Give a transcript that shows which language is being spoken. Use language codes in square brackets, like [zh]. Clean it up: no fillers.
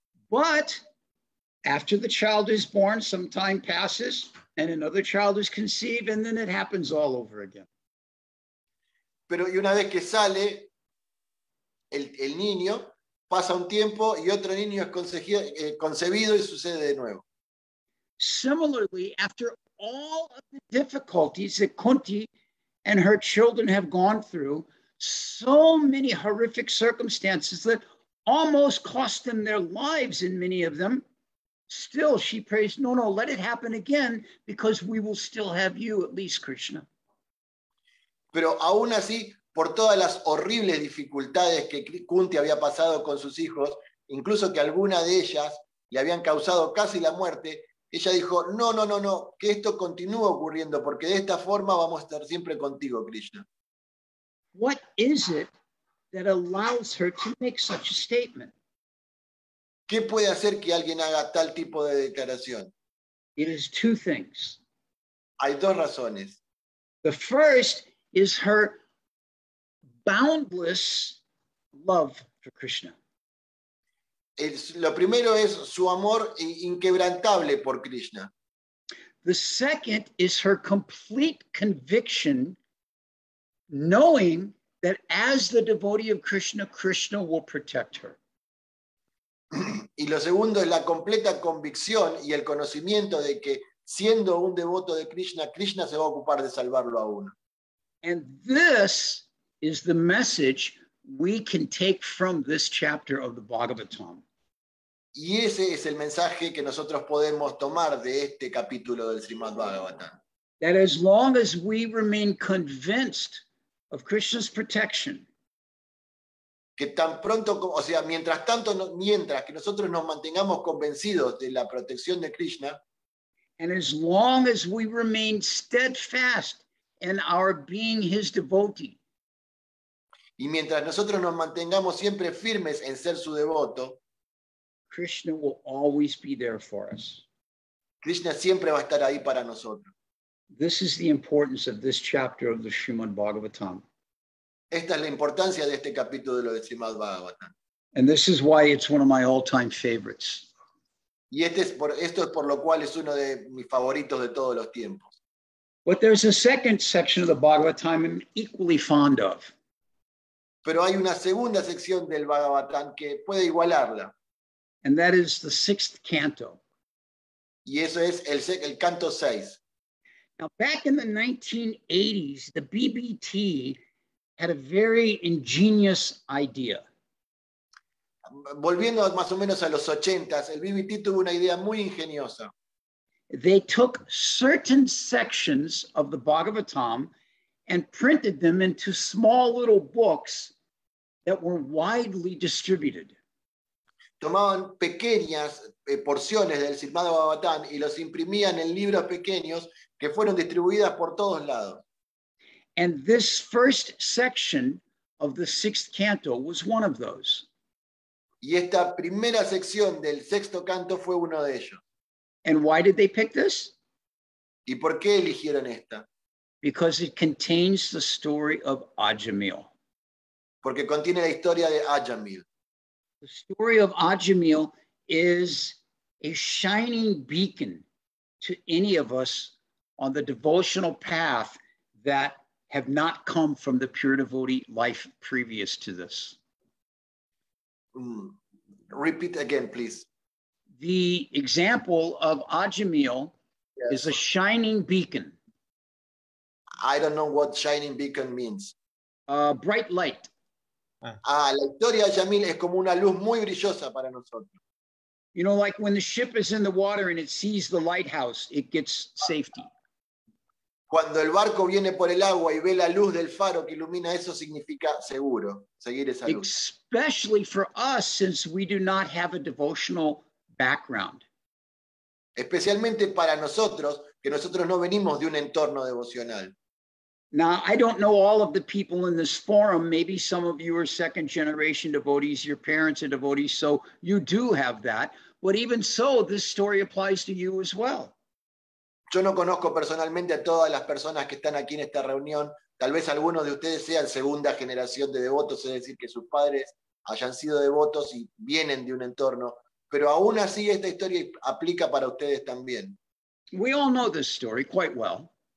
[en] But after the child is born, some time passes and another child is conceived, and then it happens all over again. [es] Pero y una vez que sale el niño, pasa un tiempo y otro niño es concebido y sucede de nuevo. [en] Similarly, after all of the difficulties that Kunti and her children have gone through, so many horrific circumstances that almost cost them their lives in many of them, still she prays, no, no, let it happen again, because we will still have you at least, Krishna. [es] Pero aún así, por todas las horribles dificultades que Kunti había pasado con sus hijos, incluso que alguna de ellas le habían causado casi la muerte, ella dijo, no, no, no, no, que esto continúe ocurriendo, porque de esta forma vamos a estar siempre contigo, Krishna. [en] What is it that allows her to make such a statement? [es] ¿Qué puede hacer que alguien haga tal tipo de declaración? [en] It is two things. [es] Hay dos razones. [en] The first is her boundless love for Krishna. [es] Lo primero es su amor inquebrantable por Krishna. [en] The second is her complete conviction, knowing that as the devotee of Krishna, Krishna will protect her. [es] Y lo segundo es la completa convicción y el conocimiento de que siendo un devoto de Krishna, Krishna se va a ocupar de salvarlo a uno. [en] And this is the message we can take from this chapter of the Bhagavatam. [es] Y ese es el mensaje que nosotros podemos tomar de este capítulo del Srimad Bhagavatam. [en] That as long as we remain convinced of Krishna's protection. [es] Que tan pronto, o sea, mientras tanto, mientras que nosotros nos mantengamos convencidos de la protección de Krishna. [en] And as long as we remain steadfast in our being his devotee. [es] Y mientras nosotros nos mantengamos siempre firmes en ser su devoto. [en] Krishna will always be there for us. [es] Krishna siempre va a estar ahí para nosotros. [en] This is the importance of this chapter of the Srimad Bhagavatam. [es] Esta es la importancia de este capítulo de lo de Srimad Bhagavatam. [en] And this is why it's one of my all-time favorites. [es] Y esto es por lo cual es uno de mis favoritos de todos los tiempos. [en] But there's a second section of the Bhagavatam I'm equally fond of. [es] Pero hay una segunda sección del Bhagavatam que puede igualarla. [en] And that is the sixth canto. [es] Y eso es el canto 6. [en] Now, back in the 1980s, the BBT had a very ingenious idea. [es] Volviendo más o menos a los 80s, el BBT tuvo una idea muy ingeniosa. [en] They took certain sections of the Bhagavatam and printed them into small little books that were widely distributed. [es] Tomaban pequeñas porciones del Srimad Bhagavatam y los imprimían en libros pequeños que fueron distribuidas por todos lados. [en] And this first section of the sixth canto was one of those. [es] Y esta primera sección del sexto canto fue uno de ellos. [en] And why did they pick this? [es] ¿Y por qué eligieron esta? [en] Because it contains the story of Ajamil. [es] Porque contiene la historia de Ajamil. [en] The story of Ajamil is a shining beacon to any of us on the devotional path that have not come from the pure devotee life previous to this. Repeat again, please. The example of Ajamil, yes, is a shining beacon. I don't know what shining beacon means. Bright light. [es] Ah, la historia de Ajamil es como una luz muy brillosa para nosotros. [en] You know, like when the ship is in the water and it sees the lighthouse, it gets safety. [es] Cuando el barco viene por el agua y ve la luz del faro que ilumina, eso significa seguro, seguir esa luz. [en] Especially for us, since we do not have a devotional background. [es] Especialmente para nosotros, que nosotros no venimos de un entorno devocional. [en] Now, I don't know all of the people in this forum. Maybe some of you are second generation devotees, your parents are devotees, so you do have that. But even so, this story applies to you as well. [es] Yo no conozco personalmente a todas las personas que están aquí en esta reunión. Tal vez algunos de ustedes sean segunda generación de devotos, es decir, que sus padres hayan sido devotos y vienen de un entorno. Pero aún así, esta historia aplica para ustedes también. [en] We all know this story quite well.